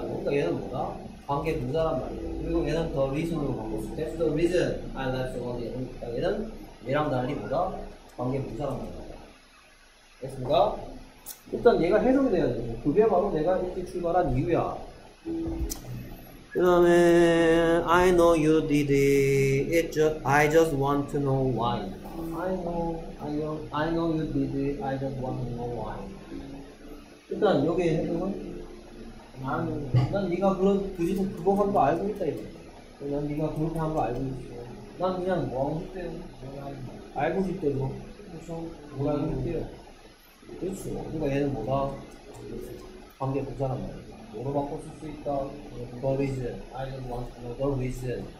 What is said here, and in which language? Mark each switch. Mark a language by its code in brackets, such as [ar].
[ko] 그러니까 얘는 뭐다? 관계 부사란 말이에요. 그리고 얘는 the reason으로 바꿨어. [en] That's the reason I left so early. [ko] 그러니까 얘는 얘랑 달리 뭐다? 관계 부사란 말이에요. 됐습니까? 일단 얘가 해석이 돼야 되죠. 그게 바로 내가 일찍 출발한 이유야. [en] 그 다음에 I know you did it. It just, I just want to know why. I know you did it. I just want to know why. [ko] 일단 여기에 해석은 난 네가 그런 그짓을 그거 한 거 알고 있다 이거. 난 네가 그렇게 한 거 알고 있어. 난 그냥 뭐 하고 싶대요. 알고 싶대요. 그렇죠. 뭐 알고 싶대요. 그렇죠. 그러니까 얘는 뭐가 관계 부사란 말이야. 뭐로 바꿨을 수 있다. [en] The reason I just want to know the reason.